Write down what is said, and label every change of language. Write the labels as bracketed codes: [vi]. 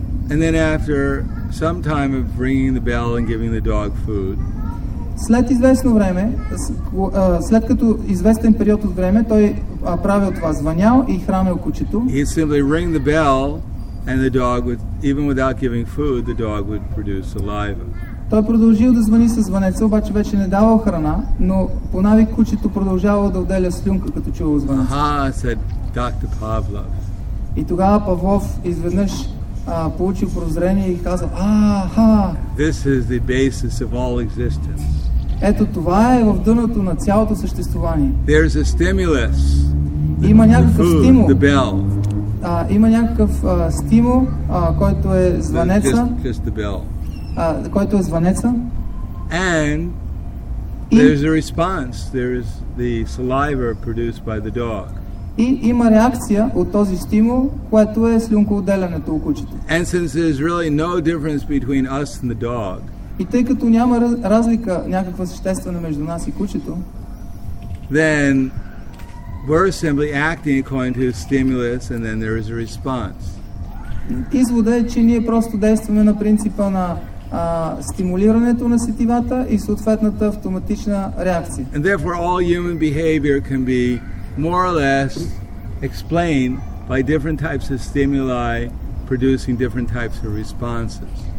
[en] And then after some time of ringing the bell and giving the dog food, [bg] след известно време, след като известен период от време, той правил това, звънял и хранил кучето. [en] He simply ring the bell and the dog would, even without giving food, the dog would produce saliva. [bg] Той продължил да звъни с звънеца, обаче вече не давал храна, но по навик кучето продължавало да отделя слюнка, като чувало звънеца. [en] Aha, said Dr. Pavlov. [bg] И тогава Павлов изведнъж получил прозрение и казал, аха! [en] This is the basis of all existence. [bg] Ето това е в дъното на цялото съществувание. [en] There's a stimulus. [bg] Има някакъв стимул. [en] The bell. [bg] има някакъв стимул, който е звънеца. [en] Just the bell. [bg] Който е звънеца. [en] And there's a response. There is the saliva produced by the dog. [bg] И има реакция от този стимул, което е слюнкоотделянето у кучето. [en] And since there's really no difference between us and the dog. [bg] И тъй като няма разлика някаква съществена между нас и кучето, [en] then we're simply acting according to stimulus and then there is a response. [bg] Изводът е, че ние просто действаме на принципа на стимулирането на сетивата и съответната автоматична реакция. [en] And therefore all human behavior can be more or less explained by different types of stimuli producing different types of responses.